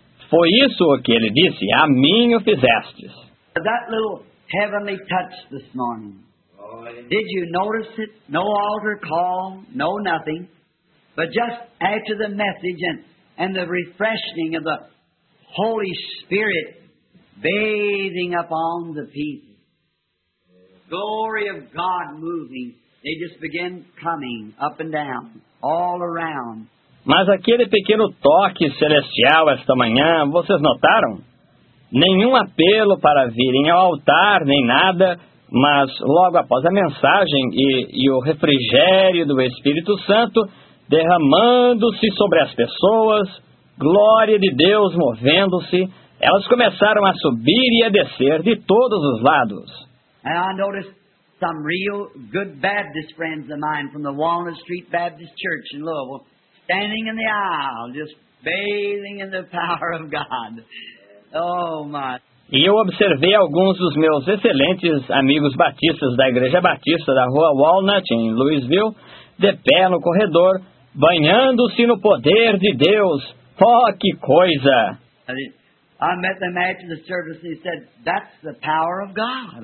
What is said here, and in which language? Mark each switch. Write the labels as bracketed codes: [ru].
[pt] Foi isso o que ele disse, a mim o fizestes. [en] That little heavenly touch this morning, did you notice it? No altar call, no nothing. But just after the message and the refreshing of the Holy Spirit bathing upon the people. Glory of God moving. They just begin coming up and down, all around. [pt] Mas aquele pequeno toque celestial esta manhã, vocês notaram? Nenhum apelo para virem ao altar, nem nada. Mas logo após a mensagem e o refrigério do Espírito Santo derramando-se sobre as pessoas, glória de Deus movendo-se, elas começaram a subir e a descer de todos os lados. [en] And I noticed some real good Baptist friends of mine from the Walnut Street Baptist Church in Louisville standing in the aisle, just bathing in the power of God. Oh, my. [pt] E eu observei alguns dos meus excelentes amigos batistas da Igreja Batista da Rua Walnut, em Louisville, de pé no corredor, banhando-se no poder de Deus. Oh, que coisa! [en] I met them after the service and he said, "That's the power of God."